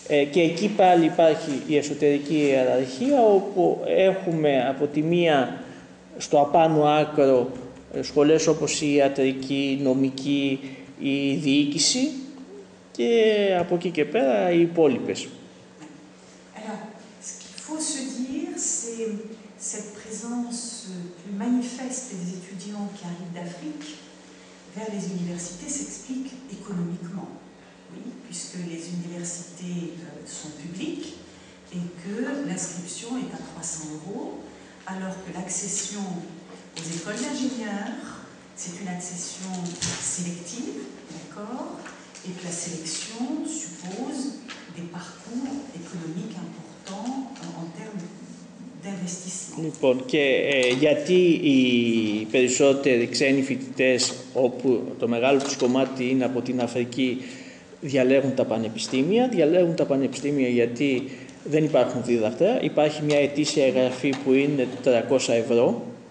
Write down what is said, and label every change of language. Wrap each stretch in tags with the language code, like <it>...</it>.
<el>Και εκεί πάλι υπάρχει η εσωτερική ιεραρχία, όπου έχουμε από τη μία στο απάνω άκρο σχολές όπως η ιατρική, η νομική, η διοίκηση και από εκεί και πέρα οι υπόλοιπες.</el> <fr>Alors, ce qu'il faut se dire, c'est cette présence plus manifeste des étudiants qui arrivent d'Afrique vers les universités s'explique économiquement. Oui, puisque les universités sont publiques et que l'inscription est à 300 euros, alors que l'accession aux écoles d'ingénieurs, c'est une accession sélective, d'accord, et que la sélection suppose des parcours économiques importants en termes d'investissement.</fr> <el>Λοιπόν, και γιατί οι περισσότεροι ξένοι φοιτητές, όπου το μεγάλο τους κομμάτι είναι από την Αφρική, διαλέγουν τα πανεπιστήμια? Διαλέγουν τα πανεπιστήμια γιατί δεν υπάρχουν δίδακτρα. Υπάρχει μια ετήσια εγγραφή που είναι 400 ευρώ.</el>